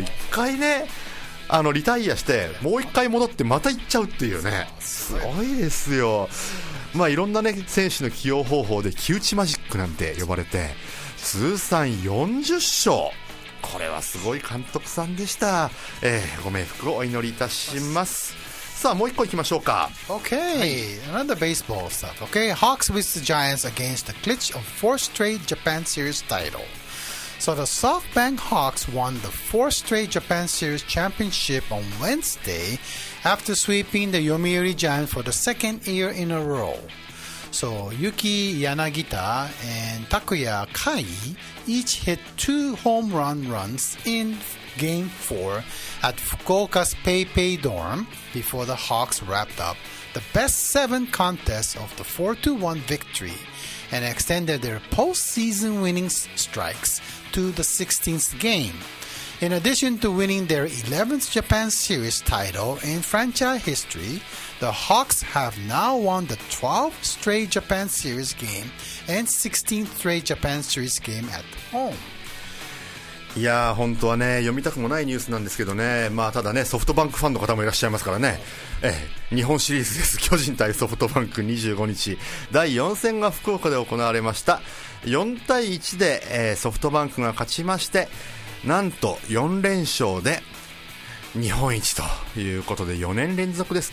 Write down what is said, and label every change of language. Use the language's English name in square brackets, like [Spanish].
[Japanese] 1回ね、あのリタイアしてもう1回戻ってまた行っちゃうっていうね、すごいですよ。まあ、いろんな、ね、選手の起用方法で木内マジックなんて呼ばれて通算40勝、これはすごい監督さんでした。ご冥福をお祈りいたします。さあ、もう一個行きましょうか。 [English] Okay、はい、another baseball stuff. Okay, Hawks with the Giants against the clinch of 4th straight Japan Series title. So the SoftBank Hawks won the 4th straight Japan Series championship on Wednesday after sweeping the Yomiuri Giants for the second year in a row. So Yuki Yanagita and Takuya Kai each hit 2 home run runs inGame 4 at Fukuoka's PayPay Dome before the Hawks wrapped up the best 7 contest of the 4-1 victory and extended their postseason winning streaks to the 16th game. In addition to winning their 11th Japan Series title in franchise history, the Hawks have now won the 12th straight Japan Series game and 16th straight Japan Series game at home. [Japanese] いやー、本当はね、読みたくもないニュースなんですけどね。まあ、ただね、ソフトバンクファンの方もいらっしゃいますからね。日本シリーズです。巨人対ソフトバンク、25日、第4戦が福岡で行われました。 4対1で、ソフトバンクが勝ちまして、なんと4連勝で日本一ということで、4年連続です。